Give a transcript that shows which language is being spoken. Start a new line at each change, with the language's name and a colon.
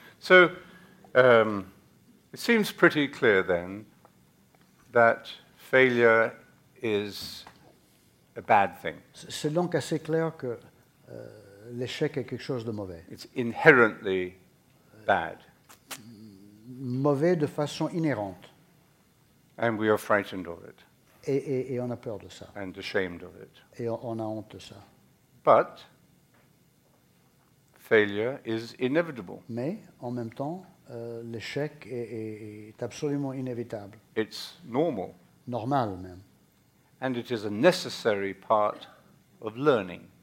English: So, it seems pretty clear then that failure is a bad thing.
French: C'est donc assez clair que l'échec est quelque chose de mauvais.
English: It's inherently bad.
French: Mauvais de façon inhérente.
English: And we are frightened of it.
French: Et on a peur de ça.
English: And ashamed of it.
French: Et on a honte de ça.
English: But failure is inevitable.
French: Mais en même temps, l'échec est absolument inévitable.
English: It's normal.
French: Normal même.
English: And it is a necessary part of learning.